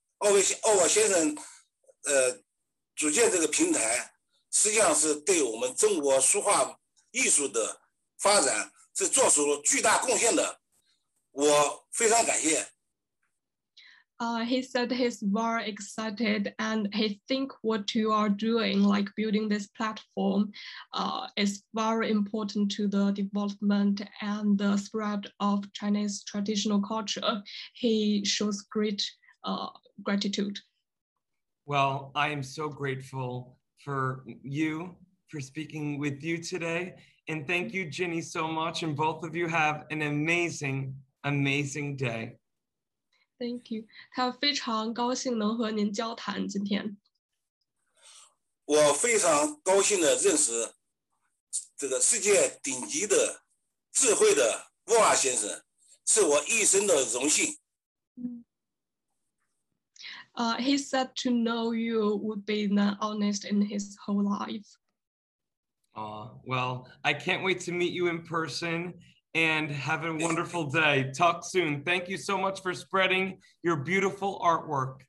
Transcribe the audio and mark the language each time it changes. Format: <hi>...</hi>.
<zh>奥沃先生组建这个平台，实际上是对我们中国书画艺术的发展是做出了巨大贡献的，我非常感谢。</zh> <en>He said he's very excited and he think what you are doing, like building this platform, is very important to the development and the spread of Chinese traditional culture. He shows great gratitude. Well, I am so grateful for you, for speaking with you today. And thank you, Ginny, so much. And both of you have an amazing, amazing day. Thank you.</en> <zh>他非常高兴能和您交谈今天。我非常高兴的认识这个世界顶级的智慧的沃尔先生，是我一生的荣幸。</zh> <en>He said to know you would be an honest in his whole life. Well, I can't wait to meet you in person. And have a wonderful day. Talk soon. Thank you so much for spreading your beautiful artwork.</en>